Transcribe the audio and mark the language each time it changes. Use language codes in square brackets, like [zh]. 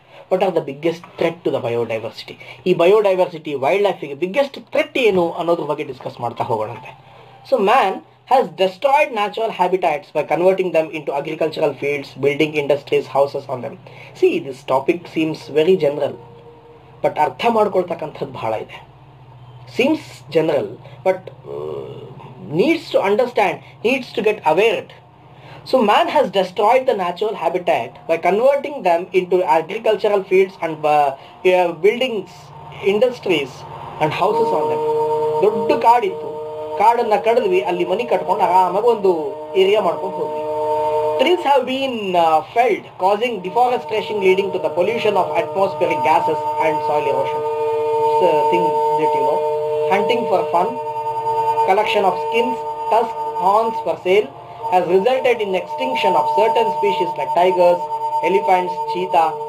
[en] what are the biggest threat to the biodiversity, ಈ biodiversity wild ಲೈಫಿಗೆ biggest threat [kn] ಏನು ಅನ್ನೋದ್ರ ಬಗ್ಗೆ ಡಿಸ್ಕಸ್ ಮಾಡ್ತಾ ಹೋಗೋಣಂತೆ. [en] So man has destroyed natural habitats by converting them into agricultural fields, building industries, houses on them. See, this topic seems very general, but [kn] ಅರ್ಥ ಮಾಡ್ಕೊಳ್ತಕ್ಕಂಥದ್ದು ಬಹಳ ಇದೆ. [en] Seems general, but needs to understand, needs to get aware it. So man has destroyed the natural habitat by converting them into agricultural fields and buildings, industries and houses on them. [kn] ದೊಡ್ಡ ಕಾಡಿತ್ತು, ಕಾಡನ್ನ ಕಡಿದ್ವಿ, ಅಲ್ಲಿ ಮನೆ ಕಟ್ಕೊಂಡು ಆರಾಮಾಗಿ ಒಂದು area ಮಾಡ್ಕೊಂಡು ಹೋದ್ವಿ. [en] Trees have been felled, causing deforestation leading to the pollution of atmospheric gases and soil erosion. It's a thing that you know. Hunting for fun, collection of skins, tusks, horns for sale has resulted in extinction of certain species like tigers, elephants, cheetah.